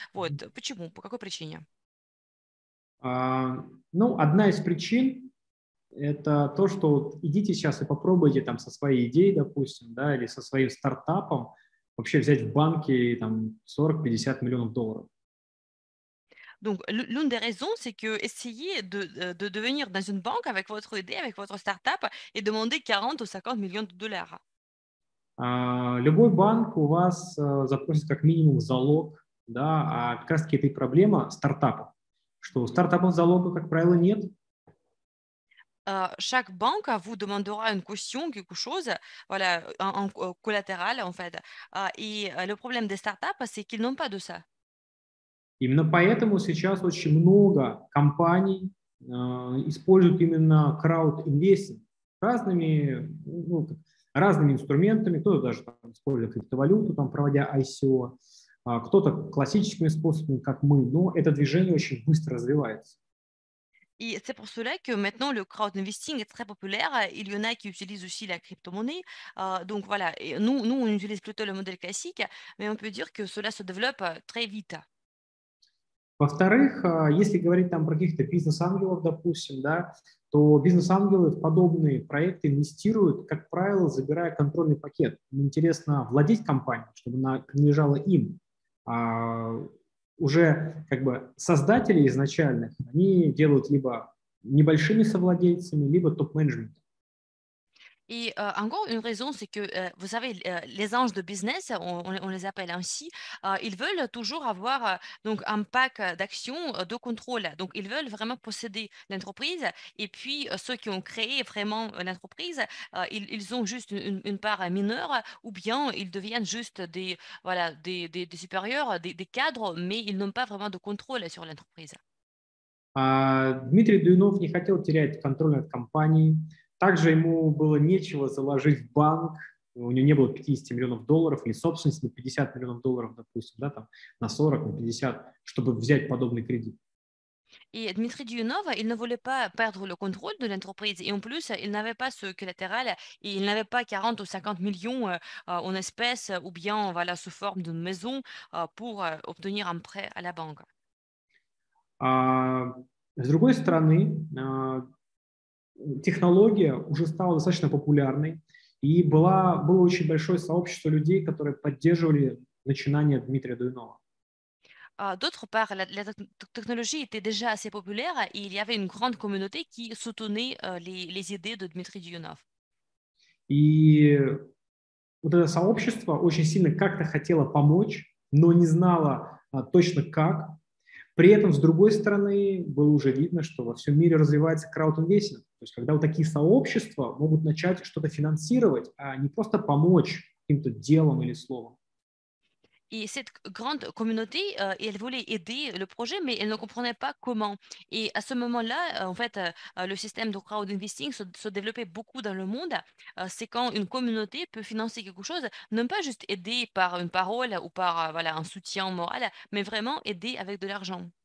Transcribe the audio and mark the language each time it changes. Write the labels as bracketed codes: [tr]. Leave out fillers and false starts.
[ru] Вот почему, по какой причине? Ну, одна из причин – это то, что вот идите сейчас и попробуйте там со своей идеей, допустим, да, или со своим стартапом вообще взять в банке там 40-50 миллионов долларов. [fr] Donc, l'une des raisons, c'est que essayer de devenir dans une banque avec votre idée, avec votre start-up, et demander 40 ou 50 millions de dollars. [ru] Любой банк у вас запросит как минимум залог, да, а как раз-таки это и проблема стартапа, что у стартапов залога, как правило, нет. [fr] Chaque banque vous demandera une caution, quelque chose, voilà, un collatéral, en fait. Le problème des start-ups, c'est qu'ils n'ont pas de ça. [ru] Именно поэтому сейчас очень много компаний используют именно краудинвестинг разными, ну, разными инструментами. Кто-то даже там использует криптовалюту, там, проводя ICO, кто-то классическими способами, как мы, но это движение очень быстро развивается. И это по сути, что [fr] maintenant le crowdinvesting est très populaire. Il y en a qui utilisent aussi la crypto-monnaie. Donc voilà, nous on utilise plutôt le modèle classique, mais on peut dire que cela se développe très vite. [ru] Во-вторых, если говорить там про каких-то бизнес-ангелов, допустим, да, то бизнес-ангелы в подобные проекты инвестируют, как правило, забирая контрольный пакет. Им интересно владеть компанией, чтобы она принадлежала им. А уже как бы создатели изначальных, они делают либо небольшими совладельцами, либо топ-менеджментом. [fr] Et encore une raison, c'est que, vous savez, les anges de business, on les appelle ainsi, ils veulent toujours avoir donc, un pack d'actions de contrôle. Donc, ils veulent vraiment posséder l'entreprise. Et puis, ceux qui ont créé vraiment l'entreprise, ils ont juste une part mineure ou bien ils deviennent juste des, voilà, des supérieurs, des cadres, mais ils n'ont pas vraiment de contrôle sur l'entreprise. [ru] Дмитрий Дуйнов не хотел терять контроль над компанией. Также ему было нечего заложить в банк, у него не было 50 миллионов долларов или собственности на 50 миллионов долларов, допустим, да, там, на 40, на 50, чтобы взять подобный кредит. И [fr] Дмитрий Дюнов, il ne voulait pas perdre le contrôle de l'entreprise, et en plus, il n'avait pas ce collatéral, et il n'avait pas 40 ou 50 millions en espèces, ou bien, voilà, sous forme de maison, pour obtenir un prêt à la banque. [ru] С другой стороны, технология уже стала достаточно популярной, и было очень большое сообщество людей, которые поддерживали начинание Дмитрия Дуйнова. [fr] D'autre part, la technologie était déjà assez populaire, et il y avait une grande communauté qui soutenait les idées de Дмитрий Дуйнов. [ru] И вот это сообщество очень сильно как-то хотело помочь, но не знало точно как. При этом, с другой стороны, было уже видно, что во всем мире развивается краудинвестинг. То есть, когда вот такие сообщества могут начать что-то финансировать, а не просто помочь каким-то делом или словом. И [fr] cette grande communauté, elle voulait aider le projet, mais elle ne comprenait pas comment. Et à ce moment-là, en fait, le système de crowdinvesting se développait beaucoup dans le monde. C'est quand une communauté peut financer quelque chose, non pas juste aider par une parole ou par voilà, un soutien moral, mais vraiment aider avec de l'argent.